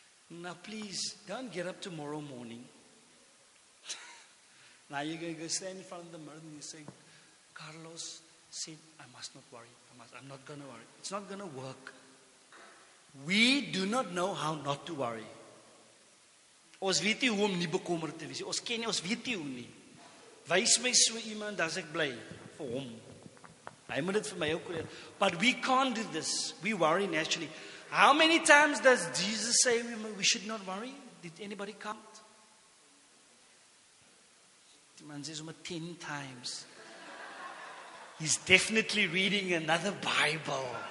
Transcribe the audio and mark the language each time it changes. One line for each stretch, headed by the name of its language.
English: Now please, don't get up tomorrow morning. Now you're going to go stand in front of the mirror and you say, Carlos said, I must not worry. I'm not going to worry. It's not going to work. We do not know how not to worry.
Afrikaans: Ons weet nie hoe om nie bekommerd te wees. Ons ken nie, ons weet nie hoe nie. Wys my so iemand, as ek bly vir hom. Hy moet dit vir my ook leer.
English: But we can't do this. We worry naturally. How many times does Jesus say we should not worry? Did anybody count?
Afrikaans: Die man sê so 10
English: times. He's definitely reading another Bible.